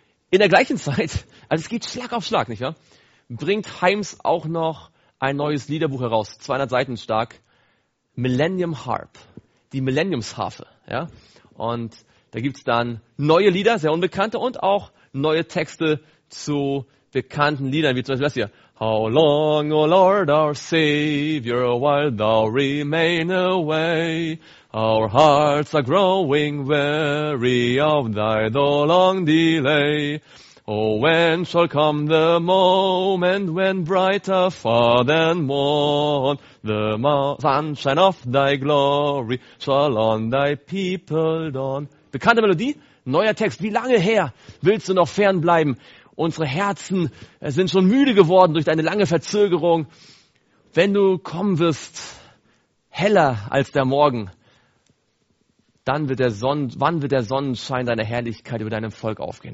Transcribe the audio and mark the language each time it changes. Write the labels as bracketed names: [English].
[German] In der gleichen Zeit, also es geht Schlag auf Schlag, nicht wahr? Bringt Himes auch noch ein neues Liederbuch heraus, 200 Seiten stark, Millennium Harp, die Millenniumsharfe, ja? Und da gibt's dann neue Lieder, sehr unbekannte, und auch neue Texte zu bekannten Liedern, wie zum Beispiel das hier. [English] How long, O Lord, our Savior, while thou remain away? Our hearts are growing weary of thy though long delay. Oh, when shall come the moment when brighter far than morn the sunshine of thy glory shall on thy people dawn. [German] Bekannte Melodie, neuer Text. Wie lange her willst du noch fernbleiben? Unsere Herzen sind schon müde geworden durch deine lange Verzögerung. Wenn du kommen wirst, heller als der Morgen, wann wird der Sonnenschein deiner Herrlichkeit über deinem Volk aufgehen?